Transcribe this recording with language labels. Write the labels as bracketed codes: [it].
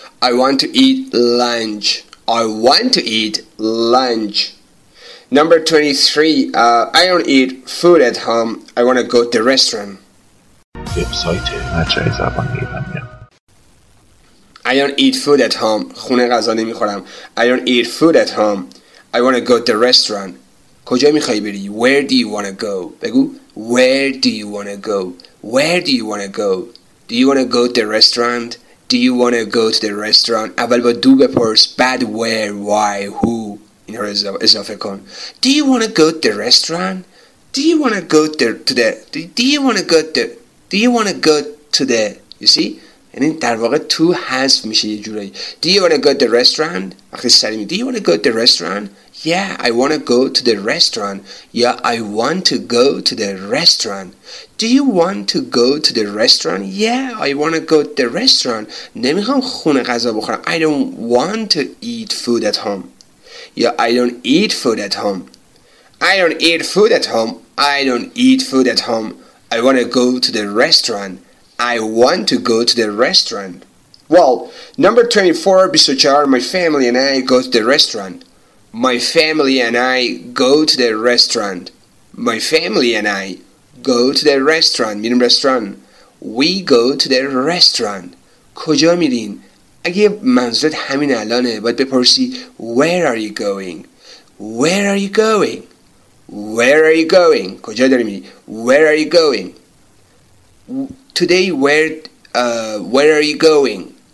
[en] I want to eat lunch. I want to eat lunch. Number 23. I don't eat food at home. I want to go to the restaurant. [fa] وبسایت مجله زبان ایرانی. [en] I don't eat food at home. [fa] خونه غذا نمیخورم. [en] I don't eat food at home. I want to go to the restaurant. [fa] کجا میخوای بری؟ [en] Where do you want to go? [fa] بگو. [en] Where do you want to go? Where do you want to go? Do you want to go to the restaurant? Do you want to go to the restaurant? [fa] اول با دو بپرس. بعد [en] where, why, who. [fa] این رو اضافه کن. [en] Do you want to go to the restaurant? Do you want to go to the... Do you want to go to... Do you want to go to the... You see? [fa] یعنی در واقع تو حذف میشه یه جورایی. [en] Do you want to go to the restaurant? [fa] وقتی سریمی. [en] Do you want to go to the restaurant? Yeah, I want to go to the restaurant. Yeah, I want to go to the restaurant. Do you want to go to the restaurant? Yeah, I want to go to the restaurant. [fa] نمیخوام خونه غذا بخورم. [en] I don't want to eat food at home. Yeah, I don't eat food at home. I don't eat food at home. I don't eat food at home. I want to go to the restaurant. I want to go to the restaurant. Well, number 24, [fa] بیست و چهار, [en] my family and I go to the restaurant. My family and I go to the restaurant. My family and I go to the restaurant. [fa] میریم رستوران. [en] We go to the restaurant. [fa] کجا میرین؟ اگه منظورت همین الانه باید بپرسی [en] Where are you going? Where are you going? Where are you going? [fa] کجا داری میری؟ [en] Where are you going? Today, where are you going?